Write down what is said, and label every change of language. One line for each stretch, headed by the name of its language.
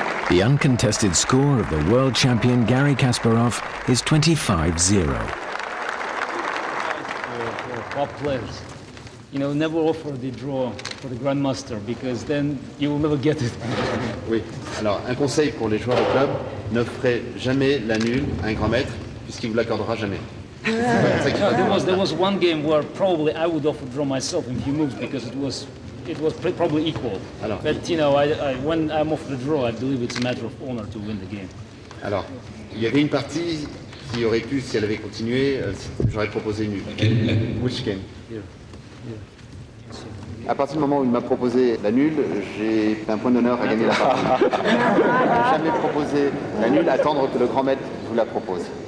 English: The uncontested score of the world champion Garry Kasparov is 25-0. Top players, you know, never offer the draw for the grandmaster because then you will never get it.
French: Oui. Alors, un conseil pour les joueurs de club, n'offrez jamais la nulle à un grand maître puisqu'il vous l'accordera jamais.
English: There was one game where probably I would offer draw myself in a few moves because it was probably equal. Alors, but you know, I, when I'm off the draw, I believe it's a matter of honor to win the game.
French: Alors, il y avait une partie qui aurait pu, si elle avait continué, j'aurais proposé nulle.
English: Which game? Here.
French: À partir du moment où il m'a proposé la nulle, j'ai un point d'honneur à gagner la partie. Jamais proposé la nulle, attendre que le grand maître vous la propose.